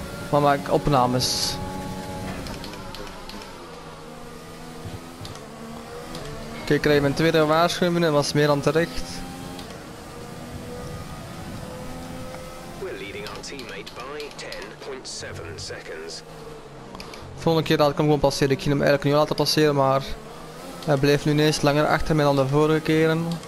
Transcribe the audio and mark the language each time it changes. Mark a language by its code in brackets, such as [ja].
[nl] Maar maak opnames. Oké, ik krijg mijn tweede waarschuwing binnen, was meer dan terecht. [en] We're leading our teammate by 10.7 seconds. [nl] Volgende keer laat ik hem gewoon passeren. Ik ging hem eigenlijk niet laten passeren, maar hij bleef nu ineens langer achter mij dan de vorige keren.